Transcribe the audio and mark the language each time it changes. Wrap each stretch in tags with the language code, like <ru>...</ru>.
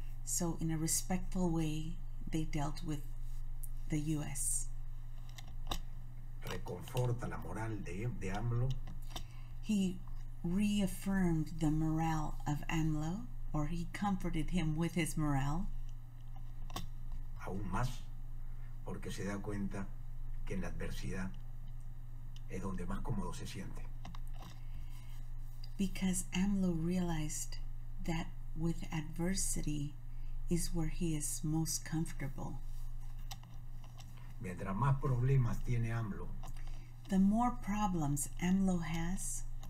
<en>So in a respectful way, they dealt with the U.S.</en> <es>Reconforta la moral de AMLO.</es> <en>He reaffirmed the morale of AMLO, or he comforted him with his morale.</en> <es>Aún más, porque se da cuenta que en la adversidad es donde más cómodo se siente.</es> <en>Because AMLO realized that with adversity is where he is most comfortable.</en> <es>Mientras más problemas tiene AMLO,</es> <en>the more problems AMLO has,</en>